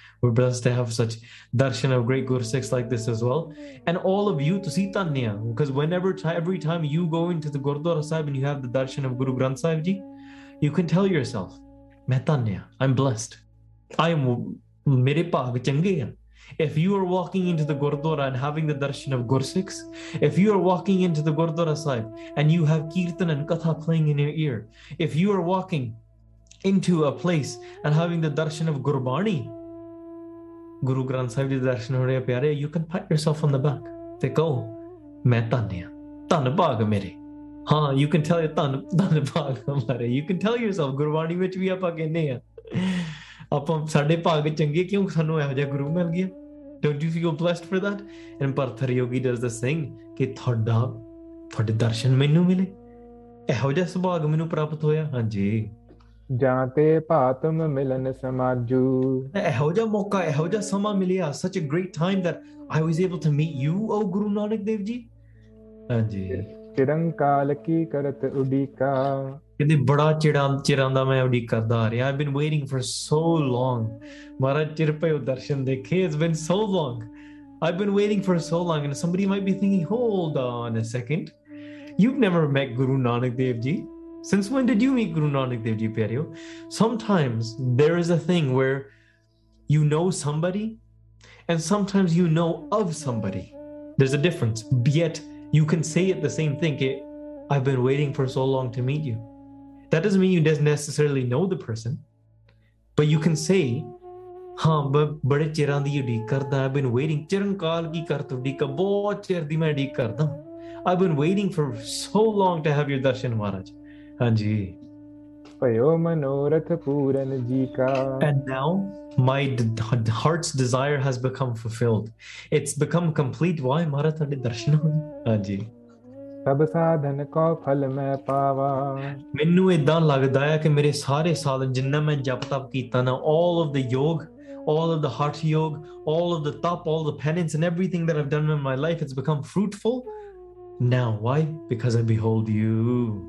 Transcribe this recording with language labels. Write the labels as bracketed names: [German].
[English] we blessed to have such darshan of great Gursikhs like this as well, and all of you [Punjabi] ਤੁਸੀਂ ਧੰਨੇ ਆ, [English] because whenever every time you going to the gurdwara Sahib and you have the darshan of Guru Granth Sahib ji, you can tell yourself [Punjabi] ਮੈਂ ਧੰਨੇ ਆ, [English] I am blessed, I am, [Punjabi] ਮੇਰੇ ਭਾਗ ਚੰਗੇ ਆ। [English] If you are walking into the Gurdwara and having the darshan of Gursikhs, if you are walking into the Gurdwara Sahib and you have Kirtan and Katha playing in your ear, if you are walking into a place and having the darshan of Gurbani, [Punjabi] Guru Granth Sahib ji darshan ho rahe pyare, [English] you can pat yourself on the back. [Punjabi] They go, main tanya, tan bhag mere. Haan, [English] you can tell your [Punjabi] tan, tan bhag hamare. [English] You can tell yourself, [Punjabi] Gurbani vich vi aapa kehne haan. ਆਪਾਂ ਸਾਡੇ ਭਾਗ ਚੰਗੇ ਕਿਉਂ, ਸਾਨੂੰ ਇਹੋ ਜਿਹਾ ਗੁਰੂ ਮਿਲ ਗਿਆ, [English] Don't you feel blessed for that. [Punjabi] And ਭਰਥਰ Yogi does ਦ ਸਿੰਘ ਕਿ ਤੁਹਾਡਾ, ਤੁਹਾਡੇ ਦਰਸ਼ਨ ਮੈਨੂੰ ਮਿਲੇ, ਇਹੋ ਜਿਹਾ ਸੁਭਾਗ ਮੈਨੂੰ ਪ੍ਰਾਪਤ ਹੋਇਆ। ਹਾਂਜੀ ਜਾਂ ਤੇ ਭਾਤਮ ਮਿਲਨ ਸਮਾਜੂ, ਇਹੋ ਜਿਹਾ ਮੌਕਾ, ਇਹੋ ਜਿਹਾ ਸਮਾਂ ਮਿਲਿਆ, [English] Such a great time that I was able to meet you O Guru Nanak Dev ji. [Punjabi] ਹਾਂਜੀ ਚਿਰੰਕਾਲ ਕੀ ਕਰਤ ਉਡੀਕਾ, ਕਹਿੰਦੇ ਬੜਾ ਚਿੜਾਂ ਚਿਰਾਂ ਦਾ ਮੈਂ ਉਡੀਕ ਕਰਦਾ ਆ ਰਿਹਾ, [English] I been waiting for so long, [Punjabi] ਮਹਾਰਾਜ ਚਿਰ ਪਏ ਉਹ ਦਰਸ਼ਨ ਦੇਖੇ, [English] It's been so long, I been waiting for so long, and somebody might be thinking hold on a second, you've never met Guru Nanak Dev ji, since when did you meet Guru Nanak Dev ji. ਪਿਆਰਿਓ sometimes there is a thing where you know somebody and sometimes you know of somebody, there is a difference, but you can say it the same thing, I've been waiting for so long to meet you. That doesn't mean you don't necessarily know the person, but you can say, [Punjabi] haan, bade chiran di udeek karda, [English] I've been waiting, [Punjabi] chiran kaal ki kart udeeka, bahut chir di main udeek karda, [English] I've been waiting for so long to have your darshan, Maharaj. [Punjabi] Haanji. Payo manorath puran ji ka. [English] And now, my heart's desire has become fulfilled. It's become complete. Why, Maharaj, [Punjabi] tade darshan ho? [English] Haanji. [Punjabi] ਸਭ ਸਾਧਨ ਕੋ ਫਲ ਮੈਂ ਪਾਵਾਂ। ਮੈਨੂੰ ਇਦਾਂ ਲੱਗਦਾ ਹੈ ਕਿ ਮੇਰੇ ਸਾਰੇ ਸਾਧਨ ਜਿੰਨਾ ਮੈਂ ਜਪ ਤਪ ਕੀਤਾ ਨਾ, [English] All of the yog, all of the heart yog, all of the tap, all the penance and everything that I've done in my life it's become fruitful now. Why? Because I behold you.